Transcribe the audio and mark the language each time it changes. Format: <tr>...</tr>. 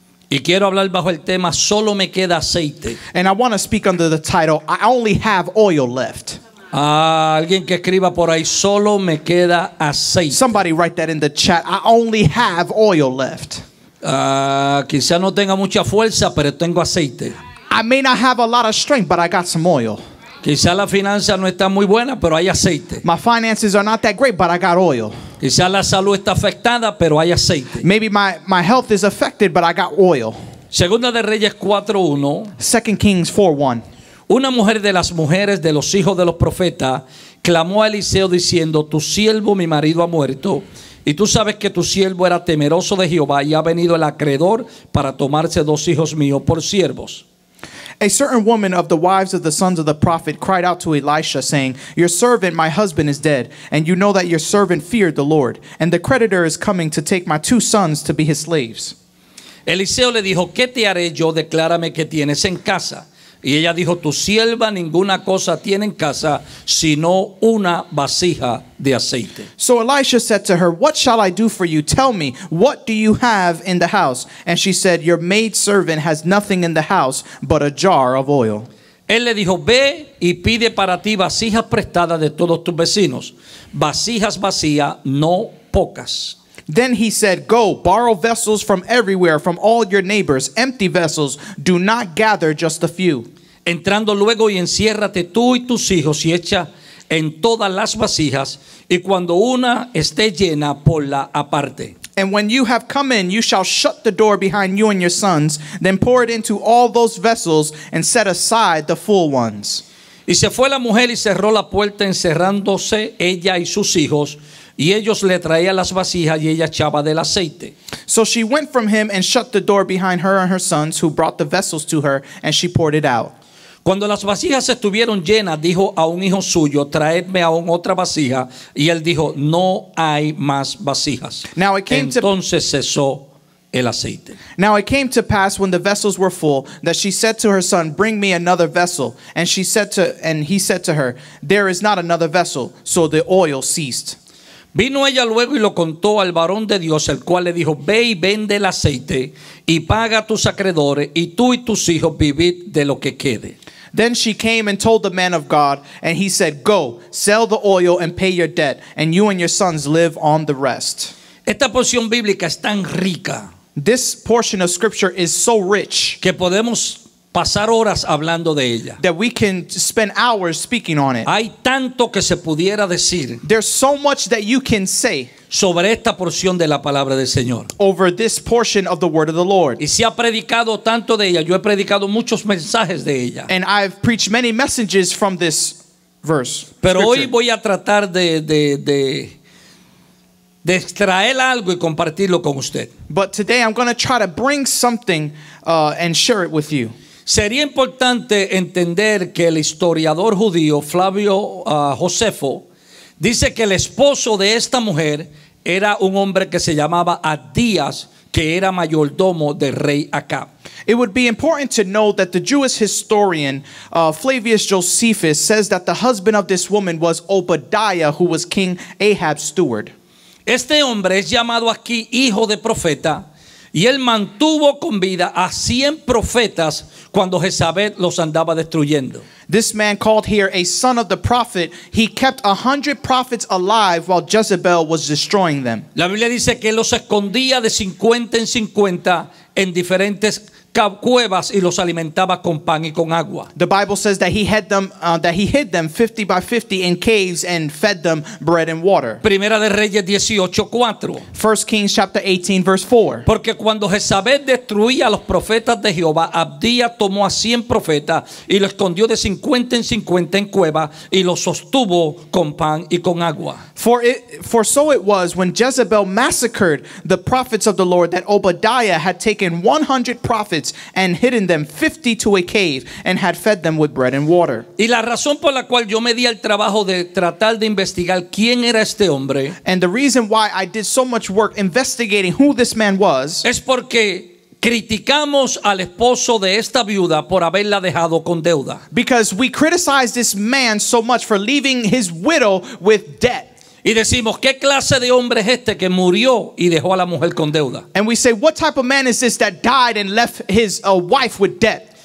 <es>Y quiero hablar bajo el tema solo me queda aceite.</es> <en>And I want to speak under the title I only have oil left.</en> <es>Alguien que escriba por ahí solo me queda aceite.</es> <en>Somebody write that in the chat. I only have oil left.</en> <es>Quizá no tenga mucha fuerza, pero tengo aceite.</es> <en>I may not have a lot of strength, but I got some oil.</en> <es>Quizá la finanza no está muy buena, pero hay aceite.</es> <en>My finances are not that great, but I got oil.</en> <es>Quizá la salud está afectada, pero hay aceite.</es> <en>Maybe my health is affected, but I got oil.</en> <es>Segunda de Reyes 4:1.</es> <en>Second Kings 4:1.</en> <es>Una mujer de las mujeres de los hijos de los profetas clamó a Eliseo diciendo: tu siervo, mi marido, ha muerto. Y tú sabes que tu siervo era temeroso de Jehová y ha venido el acreedor para tomarse dos hijos míos por siervos.</es> <en>A certain woman of the wives of the sons of the prophet cried out to Elisha, saying, your servant, my husband, is dead, and you know that your servant feared the Lord, and the creditor is coming to take my two sons to be his slaves.</en> <es>Eliseo le dijo, ¿qué te haré yo? Declárame qué tienes en casa. Y ella dijo, tu sierva ninguna cosa tiene en casa, sino una vasija de aceite.</es> <en>So Elisha said to her, what shall I do for you? Tell me, what do you have in the house? And she said, your maidservant has nothing in the house but a jar of oil.</en> <es>Él le dijo, ve y pide para ti vasijas prestadas de todos tus vecinos. Vasijas vacías, no pocas.</es> <en>Then he said, go, borrow vessels from everywhere, from all your neighbors, empty vessels, do not gather just a few.</en> <es>Entrando luego y enciérrate tú y tus hijos y echa en todas las vasijas, y cuando una esté llena, ponla aparte.</es> <en>And when you have come in, you shall shut the door behind you and your sons, then pour it into all those vessels and set aside the full ones.</en> <es>Y se fue la mujer y cerró la puerta encerrándose ella y sus hijos. Y ellos le traían las vasijas y ella echaba del aceite.</es> <en>So she went from him and shut the door behind her and her sons, who brought the vessels to her, and she poured it out.</en> <es>Cuando las vasijas estuvieron llenas, dijo a un hijo suyo, traedme aún otra vasija. Y él dijo, no hay más vasijas. Entonces cesó el aceite.</es> <en>Now it came to pass when the vessels were full that she said to her son, bring me another vessel. And she said to, and he said to her, there is not another vessel. So the oil ceased.</en> <es>Vino ella luego y lo contó al varón de Dios, el cual le dijo, ve y vende el aceite y paga a tus acreedores, y tú y tus hijos vivid de lo que quede.</es> <en>Then she came and told the man of God, and he said, go, sell the oil and pay your debt, and you and your sons live on the rest.</en> <es>Esta porción bíblica es tan rica.</es> <en>This portion of scripture is so rich.</en> <es>Que podemos pasar horas hablando de ella.</es> <en>That we can spend hours speaking on it.</en> <es>Hay tanto que se pudiera decir.</es> <en>There's so much that you can say.</en> <es>Sobre esta porción de la palabra del Señor.</es> <en>Over this portion of the word of the Lord.</en> <es>Y se ha predicado tanto de ella. Yo he predicado muchos mensajes de ella.</es> <en>And I've preached many messages from this verse. Pero scripture.</en> <es>Hoy voy a tratar de extraer algo y compartirlo con usted.</es> <en>But today I'm going to try to bring something and share it with you.</en> <es>Sería importante entender que el historiador judío Flavio Josefo dice que el esposo de esta mujer era un hombre que se llamaba Adías, que era mayordomo del rey Acab.</es> <en>It would be important to know that the Jewish historian Flavius Josephus says that the husband of this woman was Obadiah, who was King Ahab's steward.</en> <es>Este hombre es llamado aquí hijo de profeta. Y él mantuvo con vida a 100 profetas cuando Jezabel los andaba destruyendo.</es> <en>This man called here a son of the prophet, he kept 100 prophets alive while Jezebel was destroying them.</en> <es>La Biblia dice que él los escondía de 50 en 50 en diferentes cuevas y los alimentaba con pan y con agua.</es> <en>The Bible says that he hid them 50 by 50 in caves and fed them bread and water.</en> <es>Primera de Reyes 18:4.</es> <en>First Kings chapter 18 verse 4.</en> <es>Porque cuando Jezabel destruía a los profetas de Jehová, Abdías tomó a 100 profetas y los escondió de 50 en 50 en cuevas y los sostuvo con pan y con agua.</es> <en>For so it was when Jezebel massacred the prophets of the Lord that Obadiah had taken 100 prophets and hidden them 50 to a cave and had fed them with bread and water.</en> <es>Y la razón por la cual yo me di el trabajo de tratar de investigar quién era este hombre.</es> <en>And the reason why I did so much work investigating who this man was</en> <es>es porque criticamos al esposo de esta viuda por haberla dejado con deuda.</es> <en>Because we criticize this man so much for leaving his widow with debt.</en> <es>Y decimos, ¿qué clase de hombre es este que murió y dejó a la mujer con deuda?</es> <en>And we say, what type of man is this that died and left his wife with debt?</en>